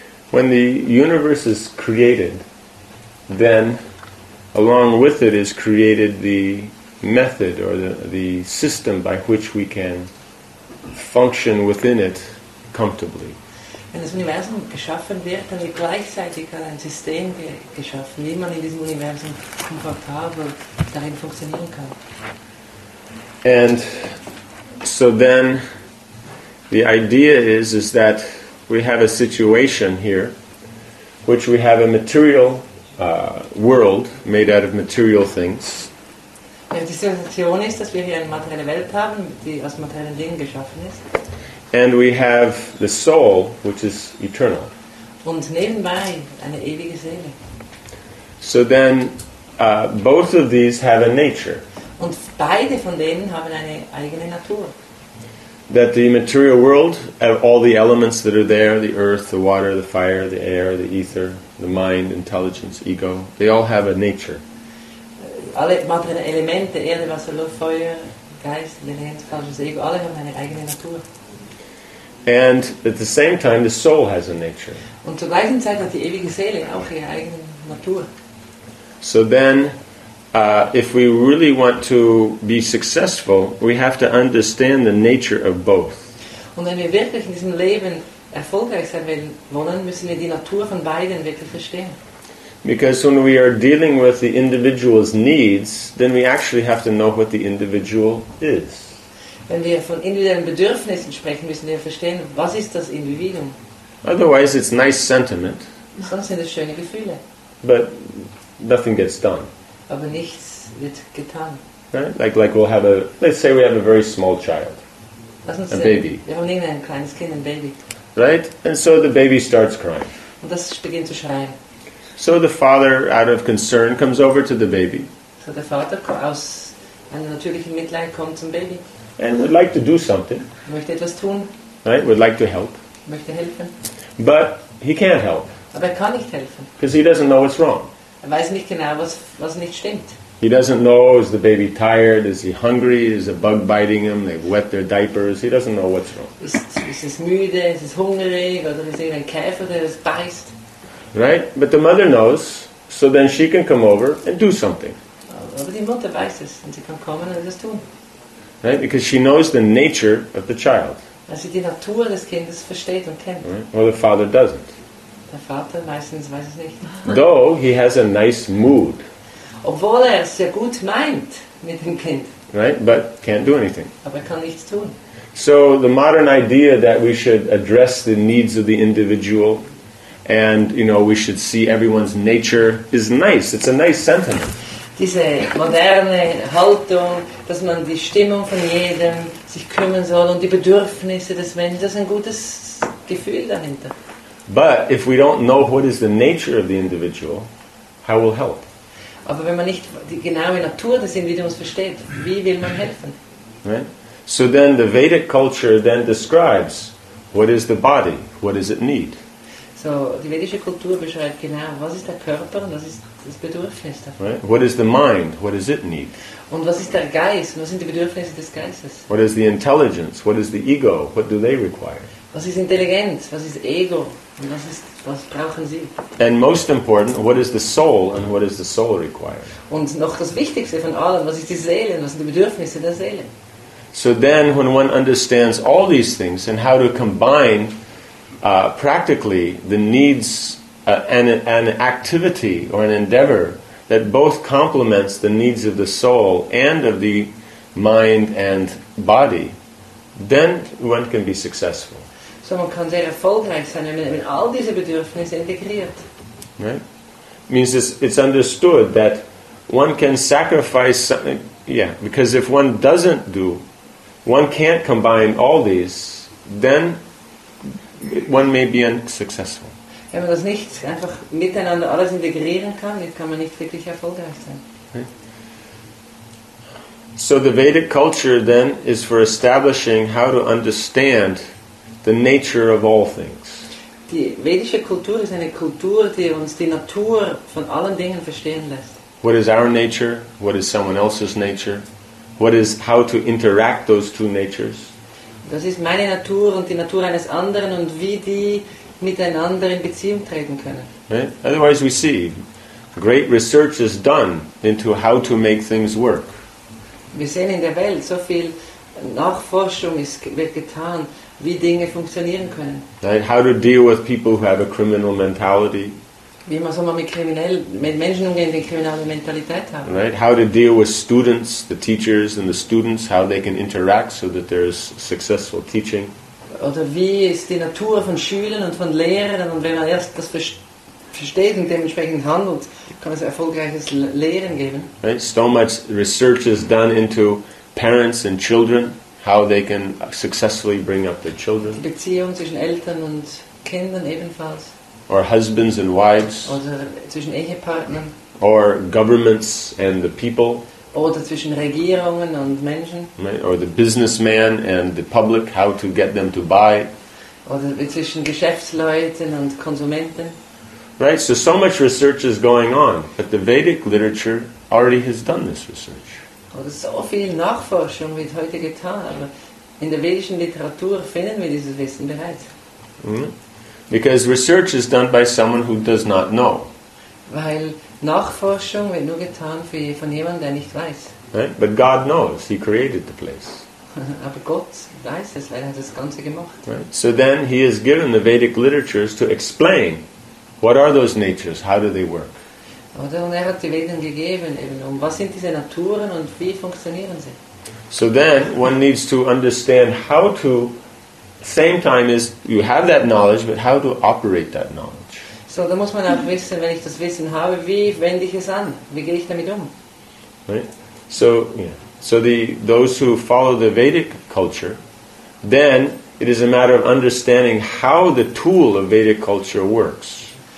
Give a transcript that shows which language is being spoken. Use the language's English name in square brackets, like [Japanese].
[English] When the universe is created, then along with it is created the method or the system by which we can function within it comfortably. [German] Wenn das Universum geschaffen wird, dann wird gleichzeitig ein System geschaffen, wie man in diesem Universum komfortabel darin funktionieren kann. [English] And so then the idea is that we have a situation here which we have a material world made out of material things. [German] Ja, die Situation ist, dass wir hier eine materielle Welt haben, die aus materiellen Dingen geschaffen ist. [English] And we have the soul, which is eternal. [German] Und nebenbei eine ewige Seele. [English] So then both of these have a nature. [German] Und beide von denen haben eine eigene Natur. [English] That the material world, all the elements that are there, the earth, the water, the fire, the air, the ether, the mind, intelligence, ego, they all have a nature. [German] Alle materielle Elemente, Erde, Wasser, Luft, Feuer, Geist, intelligence, ego, alle haben eine eigene Natur. [English] And at the same time, the soul has a nature. [German] Und zur gleichen Zeit hat die ewige Seele auch ihre eigene Natur. [English] So then, if we really want to be successful, we have to understand the nature of both. [German] Und wenn wir wirklich in diesem Leben erfolgreich sein wollen, müssen wir die Natur von beiden wirklich verstehen. [English] Because when we are dealing with the individual's needs, then we actually have to know what the individual is. [German] Wenn wir von individuellen Bedürfnissen sprechen, müssen wir verstehen, was ist das Individuum. [English] Otherwise, it's nice sentiment. [German] Sonst sind es schöne Gefühle. [English] But nothing gets done. [German] Aber nichts wird getan. [English] Right? Like we'll have a, let's say we have a very small child. A baby. [German] Wir haben irgendein kleines Kind, ein Baby. [English] Right? And so the baby starts crying. [German] Und das beginnt zu schreien. [English] So the father, out of concern, comes over to the baby. [German] So der Vater aus einem natürlichen Mitleid kommt zum Baby. [English] And would like to do something. [German] Möchte etwas tun. [English] Right? Would like to help. [German] Möchte helfen. [English] But he can't help. [German] Aber er kann nicht helfen. [English] Because he doesn't know what's wrong. [German] Er weiß nicht genau, was nicht stimmt. [English] He doesn't know, is the baby tired? Is he hungry? Is a bug biting him? They've wet their diapers. He doesn't know what's wrong. [German] Ist es müde? Ist es hungrig? Oder ist irgendein Käfer, der es beißt? [English] Right? But the mother knows, so then she can come over and do something. [German] Aber die Mutter weiß es, und sie kann kommen und es tun. [English] Right? Because she knows the nature of the child. [German] Weil sie die Natur des Kindes versteht und kennt. [English] Right? Or the father doesn't. [German] Der Vater meistens weiß es nicht. [English] Though he has a nice mood. [German] Obwohl er es sehr gut meint mit dem Kind. [English] Right, but can't do anything. [German] Aber er kann nichts tun. [English] So the modern idea that we should address the needs of the individual and, you know, we should see everyone's nature is nice. It's a nice sentiment. [German] Diese moderne Haltung, dass man die Stimmung von jedem sich kümmern soll und die Bedürfnisse des Menschen, das ist ein gutes Gefühl dahinter. [English] But if we don't know what is the nature of the individual, how will help? [German] Aber wenn man nicht die genaue Natur des Individuums versteht, wie will man helfen? [English] Right? So then the Vedic culture then describes what is the body, what does it need? [German] So die vedische Kultur beschreibt genau, was ist der Körper und was ist das Bedürfnis davon? [English] Right? What is the mind, what does it need? [German] Und was ist der Geist und was sind die Bedürfnisse des Geistes? [English] What is the intelligence, what is the ego, what do they require? [German] Was ist Intelligenz? Was ist Ego? Und was brauchen Sie? [English] And most important, what is the soul and what does the soul require? [German] Und noch das Wichtigste von allem, was ist die Seele? Was sind die Bedürfnisse der Seele? [English] So then, when one understands all these things and how to combine practically the needs an activity or an endeavor that both complements the needs of the soul and of the mind and body, then one can be successful. [German] So man kann sehr erfolgreich sein, wenn man all diese Bedürfnisse integriert. [English] Right? Means it's understood that one can sacrifice something. Yeah, because if one doesn't do, one can't combine all these, then one may be unsuccessful. [German] Wenn man das nicht einfach miteinander alles integrieren kann, dann kann man nicht wirklich erfolgreich sein. [English] So the Vedic culture then is for establishing how to understand the nature of all things. [German] Die vedische Kultur ist eine Kultur, die uns die Natur von allen Dingen verstehen lässt. [English] What is our nature? What is someone else's nature? What is how to interact those two natures? [German] Das ist meine Natur und die Natur eines anderen und wie die miteinander in Beziehung treten können. [English] Right? Otherwise we see great research is done into how to make things work. [German] Wir sehen in der Welt so viel Nachforschung wird getan, wie Dinge funktionieren können. [English] Right? How to deal with people who have a criminal mentality. [German] Wie man so mal mit Menschen umgehen, die kriminelle Mentalität haben. [English] Right? How to deal with students, the teachers and the students, how they can interact so that there is successful teaching. [German] Oder wie ist die Natur von Schülern und von Lehrern und wenn man erst das versteht und dementsprechend handelt, kann es erfolgreiches Lehren geben. [English] Right? So much research is done into parents and children, how they can successfully bring up their children. [German] Die Beziehung zwischen Eltern und Kindern ebenfalls. [English] Or husbands and wives. [German] Oder zwischen Ehepartnern. [English] Or governments and the people. [German] Oder zwischen Regierungen und Menschen. [English] Right? Or the businessman and the public, how to get them to buy. [German] Oder zwischen Geschäftsleuten und Konsumenten. [English] Right, so much research is going on, but the Vedic literature already has done this research. [German] Oder so viel Nachforschung wird heute getan, aber in der vedischen Literatur finden wir dieses Wissen bereits. Mm-hmm. [English] Because research is done by someone who does not know. [German] Weil Nachforschung wird nur getan von jemandem, der nicht weiß. [English] Right? But God knows, He created the place. [German] Aber Gott weiß es, weil das Ganze gemacht. [English] Right? So then He has given the Vedic literatures to explain what are those natures, how do they work. [German] Oder und er hat die Veden gegeben, eben, um was sind diese Naturen und wie funktionieren sie. [English] So then one needs to understand how to. Same time is you have that knowledge, but how to operate that knowledge. [German] So da muss man auch wissen, wenn ich das Wissen habe, wie wende ich es an? Wie gehe ich damit um? [English] Right. So yeah. So those who follow the Vedic culture, then it is a matter of understanding how the tool of Vedic culture works.